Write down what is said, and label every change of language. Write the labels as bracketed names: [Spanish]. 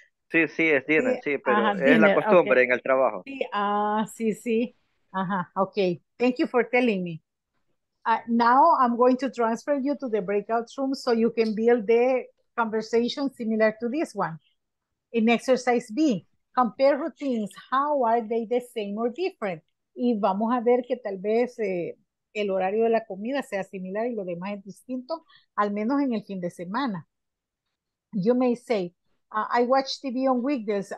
[Spanish] Sí, sí, es dinner, sí, pero es la costumbre en el trabajo. Sí, sí. Ajá, [English] okay. Thank you for telling me. Now I'm going to transfer you to the breakout room so you can build the conversation similar to this one. In exercise B, compare routines. How are they the same or different? [Spanish] Y vamos a ver que tal vez el horario de la comida sea similar y lo demás es distinto, al menos en el fin de semana. [English] You may say, I watch TV on weekdays.